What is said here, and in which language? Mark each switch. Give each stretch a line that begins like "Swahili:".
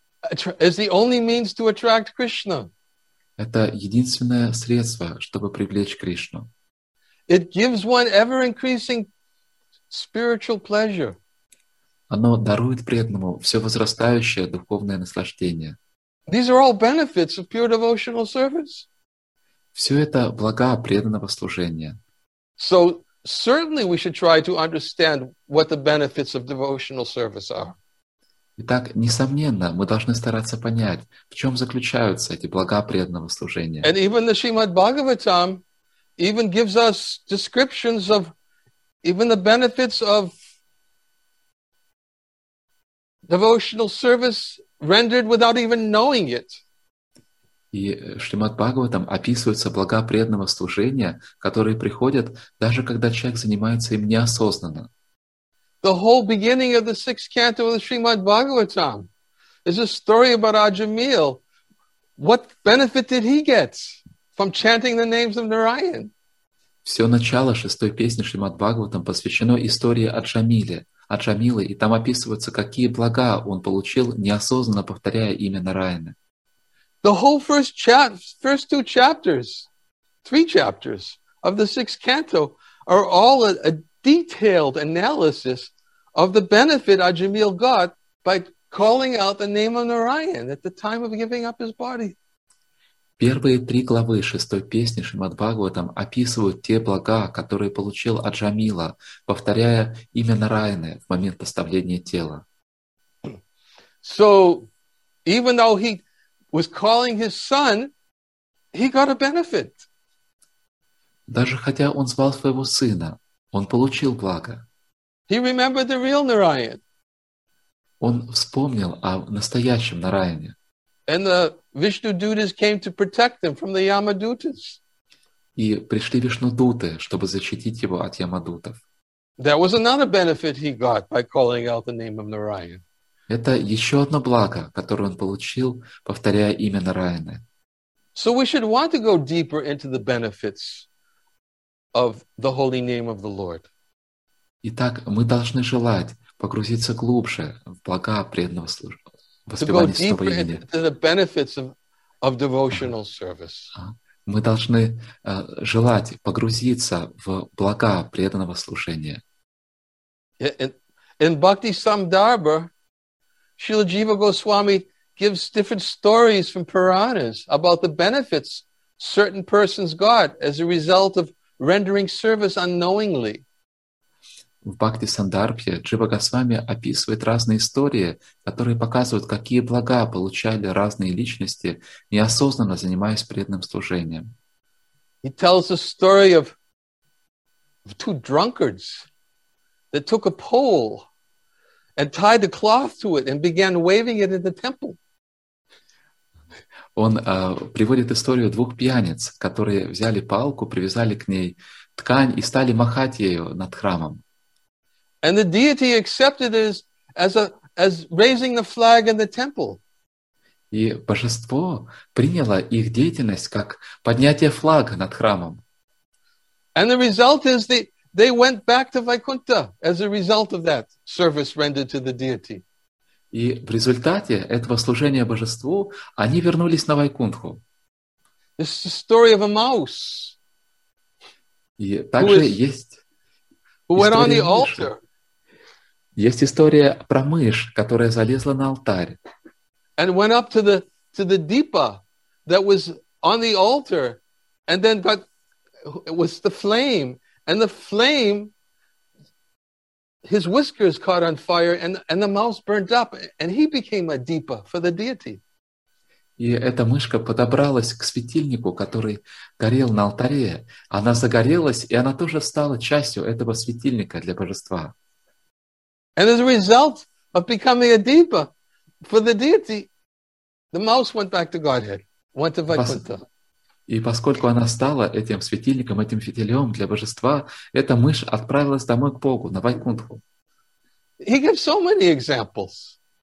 English: It is the only means to attract Krishna.
Russian: Это единственное средство, чтобы привлечь Кришну.
English: It gives one ever increasing spiritual pleasure.
Russian: Оно дарует преданному все возрастающее духовное наслаждение.
English: These are all benefits of pure devotional service.
Russian: Все это блага преданного служения.
English: So certainly we should try to understand what the benefits of devotional service are.
Russian: Итак, несомненно, мы должны стараться понять, в чем заключаются эти блага преданного служения.
English: And even the Srimad Bhagavatam even gives us descriptions of even the benefits of devotional service rendered without even knowing it.
Russian: И Шримад Бхагаватам описываются блага преданного служения, которые приходят, даже когда человек занимается им неосознанно.
English: The whole beginning of the sixth canto of the Srimad Bhagavatam is a story about Ajamil. What benefit did he get from chanting the names of Narayan?
Russian: Все начало шестой песни Шримад Бхагаватам посвящено истории Аджамиле. Аджамилы, и там описывается, какие блага он получил, неосознанно повторяя имя Нараяны.
English: The whole first two chapters, three chapters of the sixth canto are all a detailed analysis of the benefit Ajamil got by calling out the name of Narayan at the time of giving up his body.
Russian: Первые три главы шестой песни Шримад Бхагаватам описывают те блага, которые получил Аджамила, повторяя имя Нараяны в момент оставления тела.
English: So, even though he was calling his son, he got a benefit.
Russian: Даже хотя он звал своего сына, он получил благо.
English: He remembered the real Narayan.
Russian: Он вспомнил о настоящем Нараяне.
English: And the Vishnu Dutas came to protect him from the Yama Dutas.
Russian: И пришли Вишну Дуты, чтобы защитить его от Ямадутов.
English: That was another benefit he got by calling out the name of Narayan.
Russian: Это еще одно благо, которое он получил, повторяя имя Нараяны.
English: So we should want to go deeper into the benefits of the holy name of the Lord.
Russian: Итак, мы должны желать погрузиться глубже в блага преданного служения.
English: To go deeper into the benefits of devotional service.
Russian: Мы должны желать погрузиться в блага преданного служения.
English: In Bhakti Samdarbha, Srila Jiva Goswami gives different stories from Puranas about the benefits certain persons got as a result of rendering service unknowingly.
Russian: В Бхакти Сандарбхе Джива Госвами описывает разные истории, которые показывают, какие блага получали разные личности, неосознанно занимаясь преданным служением.
English: He tells a story of two drunkards that took a pole and tied a cloth to it and began waving it in the temple.
Russian: Он приводит историю двух пьяниц, которые взяли палку, привязали к ней ткань и стали махать ею над храмом.
English: And the deity accepted it as raising the flag in the temple.
Russian: И божество приняло их деятельность как поднятие флага над храмом.
English: And the result is that They went back to Vaikuntha as a result of that service rendered to the deity.
Russian: И в результате этого служения божеству они вернулись на Вайкунтху.
English: This is the story of a mouse.
Russian: И также есть
English: went on the altar.
Russian: Есть история про мышь, которая залезла на алтарь.
English: And went up to the deepa that was on the altar, and then got it was the flame. And the flame, his whiskers caught on fire, and the mouse burnt up, and he became a deepa for the deity.
Russian: И эта мышка подобралась к светильнику, который горел на алтаре. Она загорелась, и она тоже стала частью этого светильника для божества.
English: And as a result of becoming a deepa for the deity, the mouse went back to Godhead, went to Vaikuntha.
Russian: И поскольку она стала этим светильником, этим фитилем для божества, эта мышь отправилась домой к Богу, на Вайкунтху.
English: He gave so many examples.